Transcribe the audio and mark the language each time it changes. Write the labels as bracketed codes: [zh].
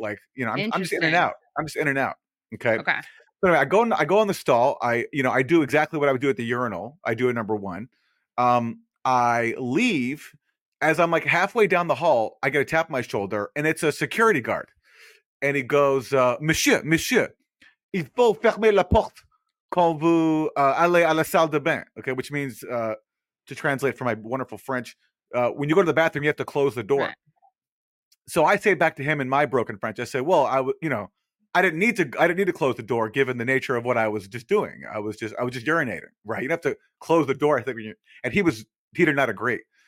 [en] Like, you know, I'm just in and out. Okay. Okay. So anyway, I go on the stall. I do exactly what I would do at the urinal. I do a number one. I leave. As I'm like halfway down the hall, I get a tap on my shoulder, and it's a security guard. And he goes, [fr] Monsieur, il faut fermer la porte quand vous allez à la salle de bain. [en] Okay, which means to translate from my wonderful French. When you go to the bathroom, you have to close the door. So I say back to him in my broken French, I say, well, I didn't need to close the door given the nature of what I was just doing. I was just urinating, right? You have to close the door. I think, and he did not agree.